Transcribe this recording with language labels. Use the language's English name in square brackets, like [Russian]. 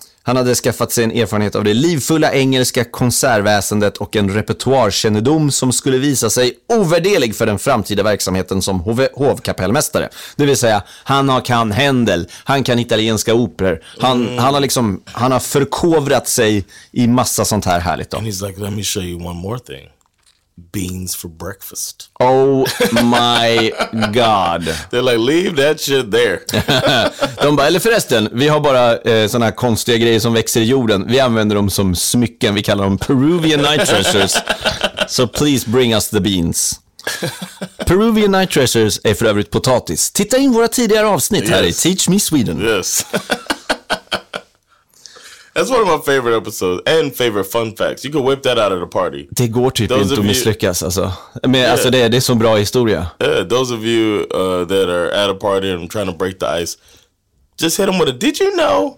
[Swedish] Han hade skaffat sig en erfarenhet av det livfulla engelska konsertväsendet och en repertoarkännedom som skulle visa sig ovärdelig för den framtida verksamheten som hovkapellmästare. Det vill säga, han kan Händel, han kan italienska operor. Han har förkovrat sig i massa sånt här härligt då. [English] And he's like, let me show you one more thing. Beans for breakfast. Oh my god. They're like, leave that shit there. [Swedish] De bara, eller förresten, vi har bara såna här konstiga grejer som växer i jorden. Vi använder dem som smycken. Vi kallar dem Peruvian night treasures. [English] So please bring us the beans. Peruvian night treasures [Swedish] är för övrigt potatis. Titta in våra tidigare avsnitt här, yes. I Teach Me Sweden. [English] Yes. That's one of my favorite episodes and favorite fun facts. You can whip that out of the party. [Swedish] Det går typ those inte att misslyckas, alltså. Men [English] yeah. [Swedish] Alltså det är så bra historia. [English] Yeah, those of you that are at a party and trying to break the ice, just hit them with a, did you know?